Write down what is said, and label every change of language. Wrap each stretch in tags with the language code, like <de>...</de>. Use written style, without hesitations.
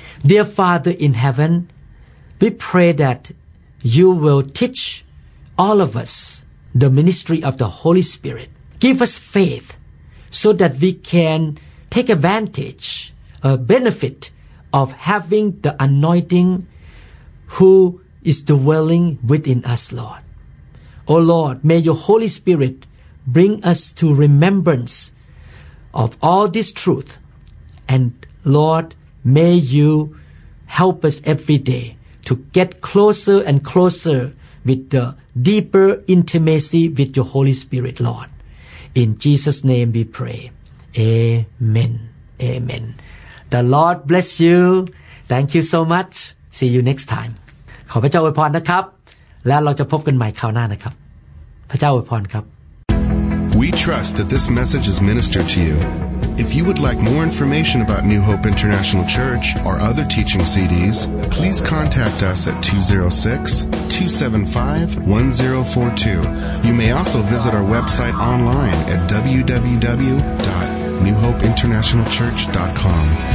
<en>Dear Father in heaven we pray that you will teach all of us the ministry of the Holy Spirit give us faith so that we can take advantage a benefit of having the anointing who is dwelling within us Lord Oh Lord may your Holy SpiritBring us to remembrance of all this truth. And Lord, may you help us every day to get closer and closer with the deeper intimacy with your Holy Spirit, Lord. In Jesus' name we pray. Amen. Amen. The Lord bless you. Thank you so much. See you next time.</en> <th>ขอพระเจ้าอวยพรนะครับและเราจะพบกันใหม่คราวหน้านะครับพระเจ้าอวยพรครับ</th> <en>We trust that this message is ministered to you. If you would like more information about New Hope International Church or other teaching CDs, please contact us at 206-275-1042. You may also visit our website online at www.newhopeinternationalchurch.com.</en>